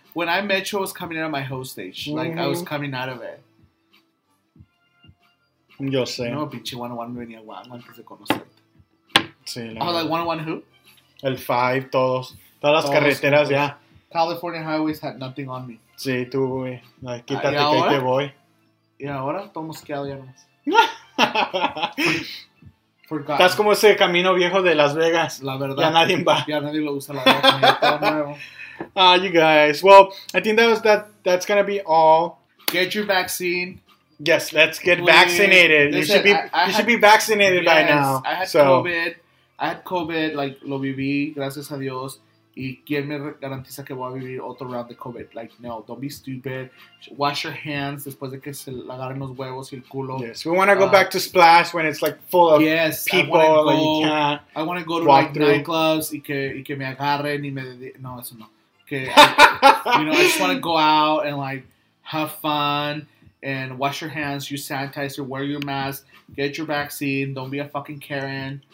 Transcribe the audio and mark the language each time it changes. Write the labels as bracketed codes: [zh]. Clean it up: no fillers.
[en] When I met you, I was coming out of my host stage. Like, I was coming out of it. [es] Yo sé. No, pinche 101 me venía guango antes de conocerte. Sí, la verdad. [en] Oh, like 101 who? [es] El 5, todos. Todas las carreteras, ya. [en] California highways had nothing on me. [es] Sí, tú, güey. Quítate que ahí te voy. Y ahora, todo mosqueado ya más. [en] Forgotten. [es] Estás como ese camino viejo de Las Vegas. La verdad. Ya nadie va. Ya nadie lo usa la ropa. Ya todo nuevo. [en] You guys. Well, I think that's gonna be all. Get your vaccine. Yes, let's get please. Vaccinated. Listen, you should be vaccinated yes, by now. I had COVID, like [es] lo viví, gracias a Dios. Y quién me garantiza que voy a vivir otro round de COVID. [en] Like, no, don't be stupid. Wash your hands [es] después de que se agarren los huevos y el culo. [en] Yes, we want to go back to Splash when it's, like, full of yes, people. I wanna go, like, you can't I want to go to, like, through. Nightclubs [es] y que me agarren y me... No, eso no. Que, [en] you know, I just want to go out and, like, have fun and wash your hands, use sanitizer, wear your mask, get your vaccine, don't be a fucking Karen.